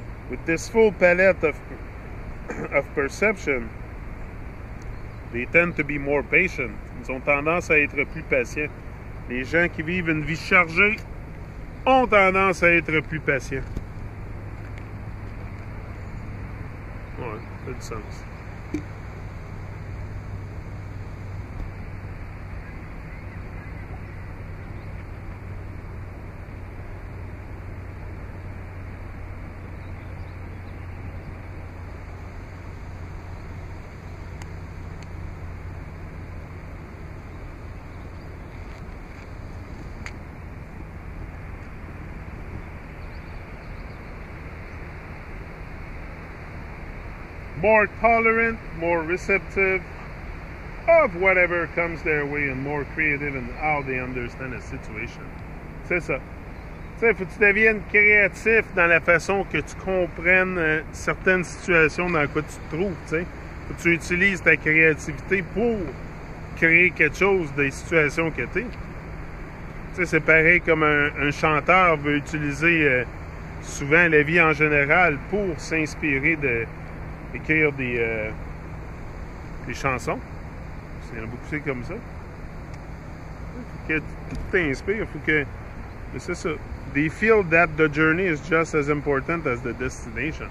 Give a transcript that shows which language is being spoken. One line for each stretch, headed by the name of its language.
English: With this full palette of perception, they tend to be more patient.
French: Ils ont tendance à être plus patients. Les gens qui vivent une vie chargée ont tendance à être plus patients. Ouais, ça fait du sens.
English: More tolerant, more receptive of whatever comes their way and more creative in how they understand a situation.
French: C'est ça. Tu sais, faut que tu deviennes créatif dans la façon que tu comprennes certaines situations dans quoi tu te trouves, tu sais. Faut que tu utilises ta créativité pour créer quelque chose des situations que t'es. Tu sais, c'est pareil comme un chanteur veut utiliser souvent la vie en général pour s'inspirer de écrire des chansons. Il y en a beaucoup c'est comme ça. Faut que tout t'inspire. Faut que. Mais c'est ça.
English: They feel that the journey is just as important as the destination.